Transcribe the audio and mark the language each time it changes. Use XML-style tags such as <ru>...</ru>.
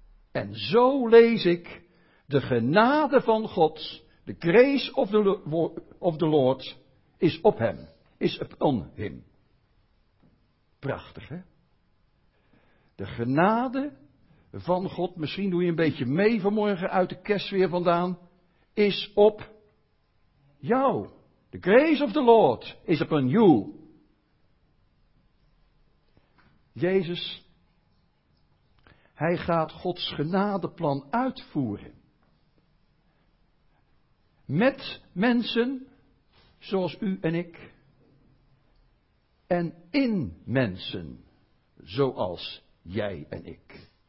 <nl>En zo lees ik de genade van God,</nl> <en>the grace of the Lord is</en> <nl>op hem,</nl> <en>is upon him.</en> <nl>Prachtig, hè? De genade van God, misschien doe je een beetje mee vanmorgen uit de kerstsfeer vandaan, is op jou.</nl> <en>The grace of the Lord is upon you.</en> <nl>Jezus, hij gaat Gods genadeplan uitvoeren. Met mensen, zoals u en ik, en in mensen, zoals jij en ik.</nl>